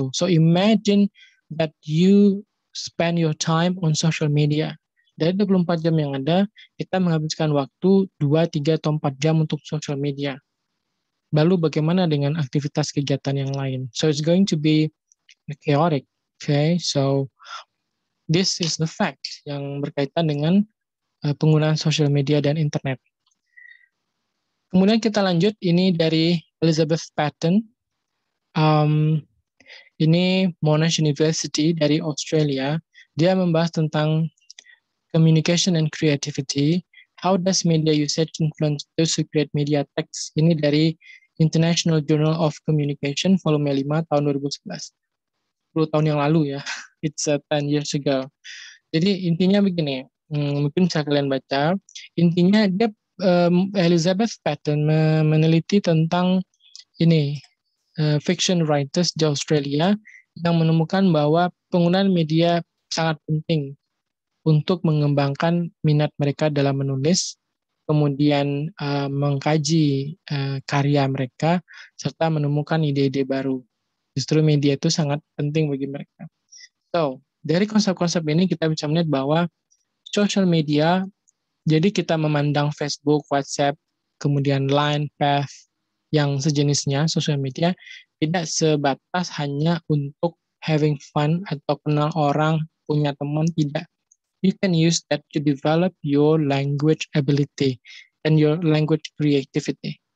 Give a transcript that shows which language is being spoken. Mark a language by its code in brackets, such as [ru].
[en] So imagine that you spend your time on social media. [id] Dari 24 jam yang ada, kita menghabiskan waktu 2, 3, atau 4 jam untuk social media. Lalu bagaimana dengan aktivitas kegiatan yang lain? [en] So it's going to be chaotic. Okay, so this is the fact [id] yang berkaitan dengan penggunaan social media dan internet. Kemudian kita lanjut, ini dari Elizabeth Patton. Ini Monash University dari Australia. Dia membahas tentang communication and creativity. [en] How does media usage influence those who create media texts? [id] Ini dari International Journal of Communication, volume 5, tahun 2011. 10 tahun yang lalu ya. [en] It's 10 years ago. [id] Jadi intinya begini, mungkin bisa kalian baca. Intinya dia, Elizabeth Patton meneliti tentang ini, fiction writers di Australia yang menemukan bahwa penggunaan media sangat penting untuk mengembangkan minat mereka dalam menulis, kemudian mengkaji karya mereka, serta menemukan ide-ide baru. Justru media itu sangat penting bagi mereka. So, dari konsep-konsep ini kita bisa melihat bahwa social media, jadi kita memandang Facebook, WhatsApp, kemudian Line, Path, yang sejenisnya, social media, tidak sebatas hanya untuk having fun atau kenal orang, punya teman, tidak. [en] You can use that to develop your language ability and your language creativity.